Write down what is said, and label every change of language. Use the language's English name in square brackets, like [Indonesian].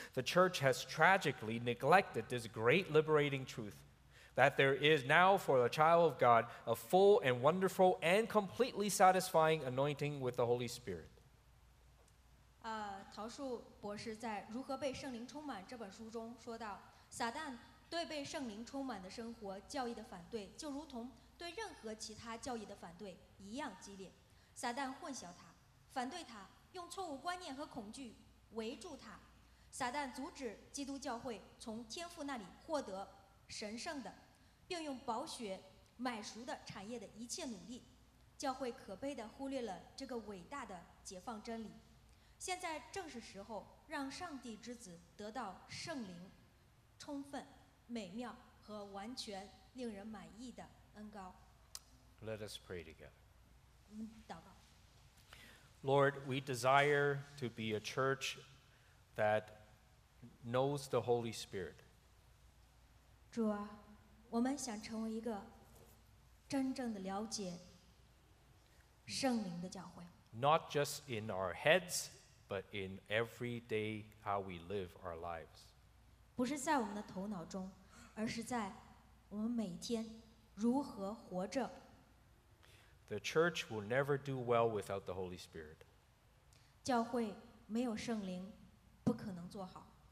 [English] The Church has tragically neglected this great liberating truth. That there is now for the child of God a full and wonderful and completely satisfying anointing with the Holy Spirit. [Chinese] 陶树博士在《如何被圣灵充满》这本书中说到，撒旦对被圣灵充满的生活教义的反对，就如同对任何其他教义的反对一样激烈。撒旦混淆他，反对他，用错误观念和恐惧围住他。撒旦阻止基督教会从天父那里获得。神圣的，并用宝血买赎的产业的一切努力，教会可悲地忽略了这个伟大的解放真理。现在正是时候让上帝之子得到圣灵充分、美妙和完全令人满意的恩膏。 [English] Let us pray together. [Chinese] 我们祷告。 [English] Lord, we desire to be a church that knows the Holy Spirit. [Chinese] 主啊，我们想成为一个真正的了解圣灵的教会。 [English] Not just in our heads, but in every day how we live our lives. [Chinese] 不是在我们的头脑中，而是在我们每天如何活着。 [English] The church will never do well without the Holy Spirit. [Chinese] 教会没有圣灵，不可能做好。